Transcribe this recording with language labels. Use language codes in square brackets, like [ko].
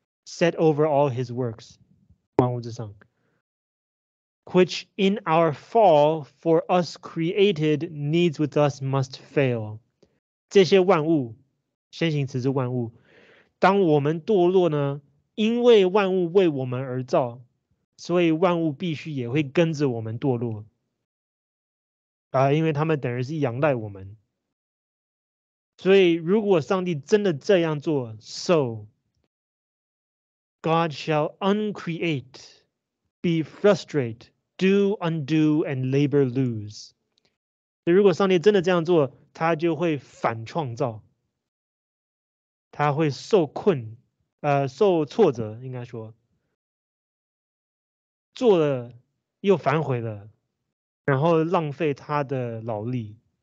[en] Set over all his works， [zh] 万物之上 [en] ，which in our fall for us created needs with us must fail。 [zh] 这些万物，先行词是万物。当我们堕落呢，因为万物为我们而造，所以万物必须也会跟着我们堕落。因为他们等于是仰赖我们。所以如果上帝真的这样做 ，so。 [en] God shall uncreate, be frustrate, do undo and labor lose. [zh] 所以如果上帝真的这样做，他就会反创造，他会受困，受挫折，应该说，做了又反悔了，然后浪费他的劳力。